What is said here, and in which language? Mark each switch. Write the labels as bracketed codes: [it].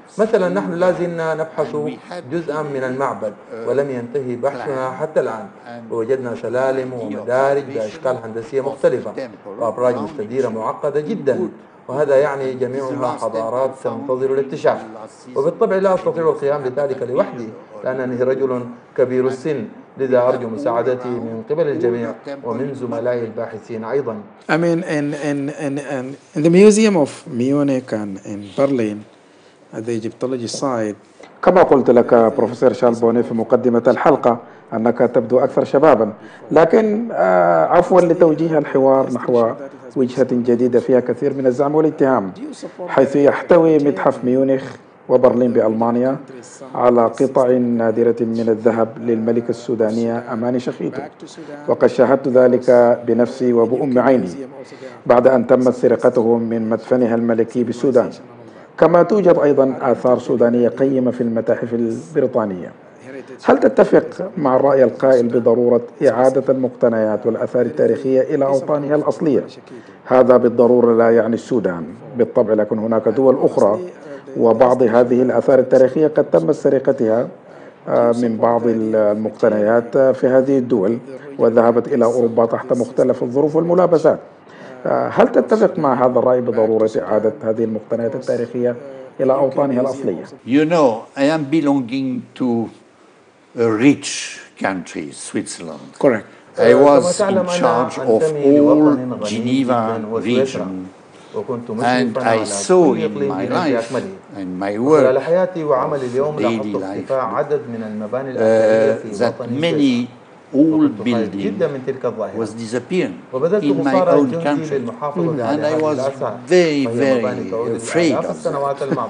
[ar] مثلا نحن لازلنا نبحث جزءا من المعبد ولم ينتهي بحثنا حتى الآن، ووجدنا سلالم ومدارج بأشكال هندسية مختلفة وأبراج مستديرة معقدة جدا، وهذا يعني جميعها حضارات تنتظر الاكتشاف. وبالطبع لا أستطيع القيام بذلك لوحدي لأنني رجل كبير السن، لذا أرجو مساعدتي من قبل الجميع ومن زملائي الباحثين أيضا. [en] I mean in the museum of Munich and in Berlin at the Egyptology side. [ar] كما قلت لك بروفيسور شارل بوني في مقدمة الحلقة أنك تبدو أكثر شبابا، لكن عفوا لتوجيه الحوار نحو وجهة جديدة فيها كثير من الزعم والاتهام، حيث يحتوي متحف ميونخ وبرلين بألمانيا على قطع نادرة من الذهب للملكة السودانية أماني شخيتو، وقد شاهدت ذلك بنفسي وبأم عيني بعد أن تمت سرقته من مدفنها الملكي بالسودان. كما توجد أيضا آثار سودانية قيمة في المتاحف البريطانية. هل تتفق مع الرأي القائل بضرورة إعادة المقتنيات والأثار التاريخية إلى أوطانها الأصلية؟ هذا بالضرورة لا يعني السودان بالطبع، لكن هناك دول أخرى وبعض هذه الأثار التاريخية قد تم سرقتها من بعض المقتنيات في هذه الدول وذهبت إلى أوروبا تحت مختلف الظروف والملابسات. هل تتفق مع هذا الرأي بضرورة إعادة هذه المقتنيات التاريخية إلى أوطانها الأصلية؟ [en] You know, I am belonging to a rich country, Switzerland. Correct. I was in charge of all Geneva region, and I saw in my life and my work daily life that many old buildings was disappearing in my own country, and I was very, very afraid of that.